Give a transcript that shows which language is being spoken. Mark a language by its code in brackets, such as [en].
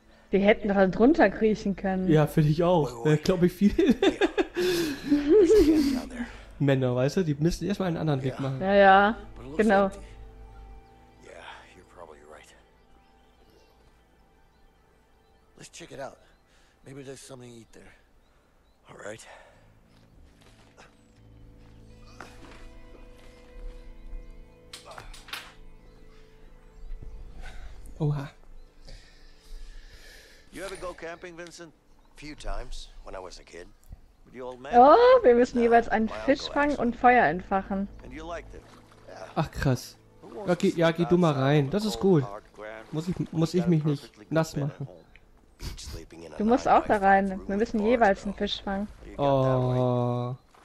[de] Wir hätten da drunter kriechen können. Ja, finde ich auch. Glaube ich viel. Männer, weißt du, die müssen erstmal einen anderen Weg machen. Ja, ja. Genau. Ja, [en] you're probably right. Let's check it out. Maybe there's something to eat there. All right. Oha. You ever go camping, Vincent? Few times when I was a kid. With the old man. [de] Oh, wir müssen jeweils einen Fisch fangen und Feuer entfachen. Ach krass. Okay, ja, geh du mal rein. Das ist gut. Muss ich mich nicht nass machen. Du musst auch da rein. Wir müssen jeweils einen Fisch fangen. Oh.